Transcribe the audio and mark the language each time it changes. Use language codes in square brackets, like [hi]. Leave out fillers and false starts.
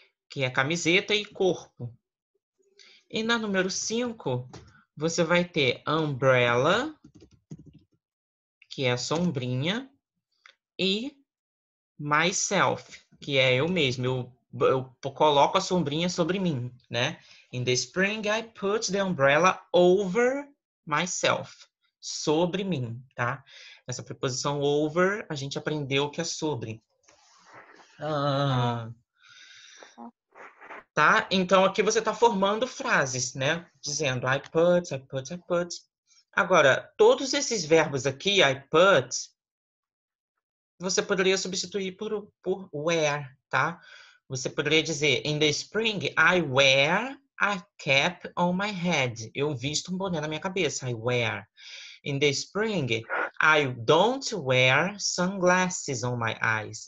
[pt] Que é camiseta e corpo. E na número 5, você vai ter umbrella, que é a sombrinha, e myself, que é eu mesmo. Eu coloco a sombrinha sobre mim, né? [en] In the spring, I put the umbrella over myself. [pt] Sobre mim, tá? Essa preposição over, a gente aprendeu que é sobre. Tá? Então, aqui você tá formando frases, né? Dizendo [en] I put, I put, I put. [pt] Agora, todos esses verbos aqui, I put, você poderia substituir por wear, tá? Você poderia dizer, [en] in the spring, I wear a cap on my head. [pt] Eu visto um boné na minha cabeça, [en] I wear. In the spring, I don't wear sunglasses on my eyes.